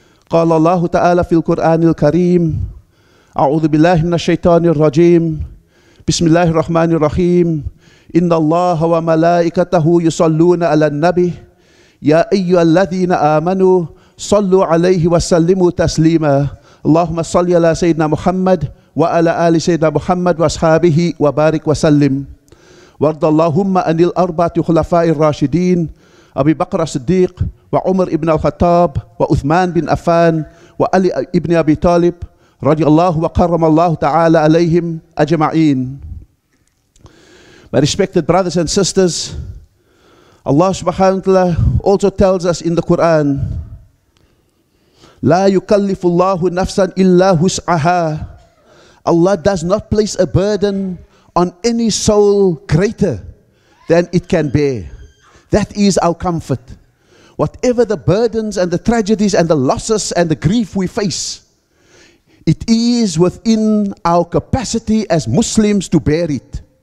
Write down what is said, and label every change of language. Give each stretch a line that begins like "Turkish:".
Arabic: قال الله تعالى في القرآن الكريم أعوذ بالله من الشيطان الرجيم بسم الله الرحمن الرحيم إن الله وملائكته يصلون على النبي يا أيها الذين آمنوا صلوا عليه وسلموا تسليما اللهم صل على سيدنا محمد وعلى آل سيدنا محمد وأصحابه وبارك وسلم وارض اللهم عن الأربعة الخلفاء الراشدين أبي بكر الصديق وعمر بن الخطاب وعثمان بن عفان وعلي بن أبي طالب رضي الله وكرم الله تعالى عليهم أجمعين.
English: My respected brothers and sisters, Allah subhanahu wa ta'ala also tells us in the Quran
Arabic: لا يكلف الله نفسا إلا وسعها.
English: Allah does not place a burden on any soul greater than it can bear. That is our comfort. Whatever the burdens and the tragedies and the losses and the grief we face, it is within our capacity as Muslims to bear it.